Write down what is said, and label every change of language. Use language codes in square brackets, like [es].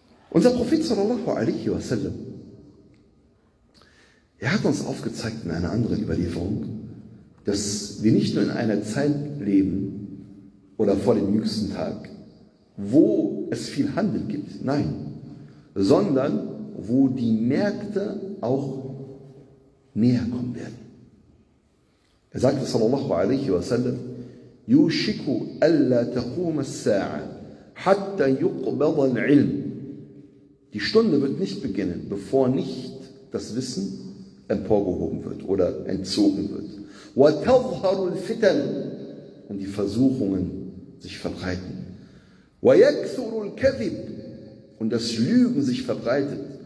[de] Unser Prophet sallallahu alaihi wa sallam, er hat uns aufgezeigt in einer anderen Überlieferung, dass wir nicht nur in einer Zeit leben oder vor dem jüngsten Tag, wo es viel Handel gibt, nein, sondern wo die Märkte auch näher kommen werden. Er sagte [ar] sallallahu alaihi wa sallam, يُوشِكُ أَلَّا تَقُومَ السَّاعَ حَتَّى يُقْبَضَ الْعِلْمِ. [de] Die Stunde wird nicht beginnen, bevor nicht das Wissen emporgehoben wird oder entzogen wird. [ar] وَتَظْهَرُ الْفِتَنُ. [de] Und die Versuchungen sich verbreiten. [ar] وَيَكْثُرُ الْكَذِبُ. [de] Und das Lügen sich verbreitet.